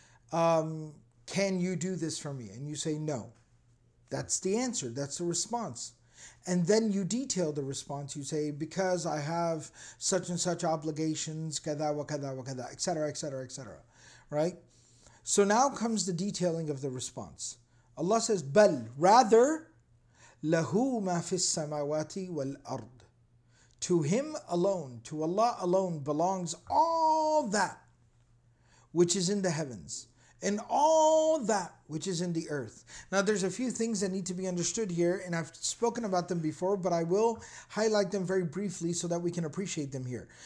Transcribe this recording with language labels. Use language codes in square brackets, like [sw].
[en] Can you do this for me? And you say no. That's the answer. That's the response. And then you detail the response. You say, because I have such and such obligations, [ar] kada wa kada wa kada, [en] etc., etc., etc. Right? So now comes the detailing of the response. Allah says, [ar] بَلْ [en] rather, [ar] لَهُ مَا فِي السَّمَاوَاتِ وَالْأَرْضِ. [en] To Him alone, to Allah alone, belongs all that which is in the heavens, and all that which is in the earth. Now there's a few things that need to be understood here, and I've spoken about them before, but I will highlight them very briefly so that we can appreciate them here.